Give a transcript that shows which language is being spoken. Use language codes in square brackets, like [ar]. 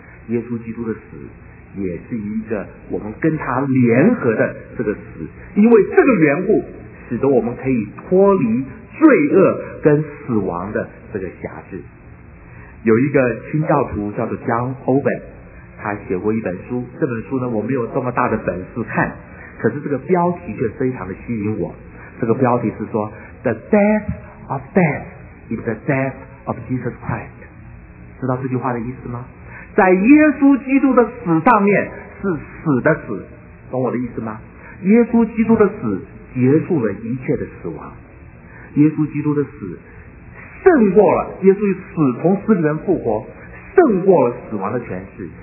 [zh] 耶稣基督的死也是一个我们跟他联合的这个死，因为这个缘故使得我们可以脱离罪恶跟死亡的这个辖制。有一个清教徒叫做 John Owen， 他写过一本书，这本书呢我没有这么大的本事看，可是这个标题却非常的吸引我。这个标题是说 [en] The death of death is the death of Jesus Christ。 [zh] 知道这句话的意思吗？在耶稣基督的死上面是死的死，懂我的意思吗？耶稣基督的死结束了一切的死亡，耶稣基督的死胜过了，耶稣死从死里面复活，胜过了死亡的权势。